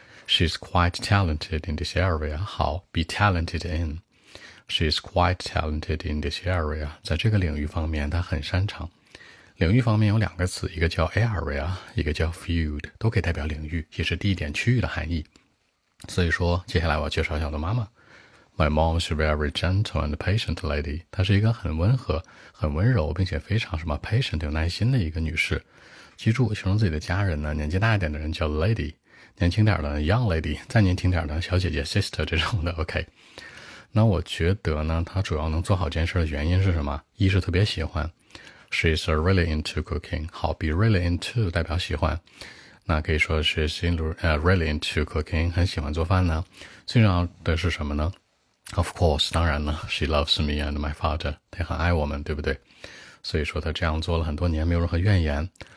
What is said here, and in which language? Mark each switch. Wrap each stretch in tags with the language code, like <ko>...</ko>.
<en>She's quite talented in this area. 好 be talented in. She's quite talented in this area.</en> <zh>在这个领域方面她很擅长。领域方面有两个词，一个叫 area, 一个叫 field, 都可以代表领域，也是地点区域的含义。所以说接下来我要介绍一下我的妈妈。</zh> <en>My mom is a very gentle and patient lady.</en> <zh>她是一个很温和很温柔并且非常什么 patient, 有耐心的一个女士。记住形容自己的家人呢，年纪大一点的人叫 lady。年轻点的 young lady, 再年轻点的小姐姐 sister 这种的 ,OK。那我觉得呢她主要能做好这件事的原因是什么，一是特别喜欢。</zh> <en>She's really into cooking, 好 be really into</en> <zh>代表喜欢。那可以说</zh> <en>she's really into cooking,</en> <zh>很喜欢做饭呢。最重要的是什么呢 ?Of course, 当然呢 ,</zh> <en>she loves me and my father,</en> <zh>她很爱我们对不对，所以说她这样做了很多年没有任何怨言。</zh>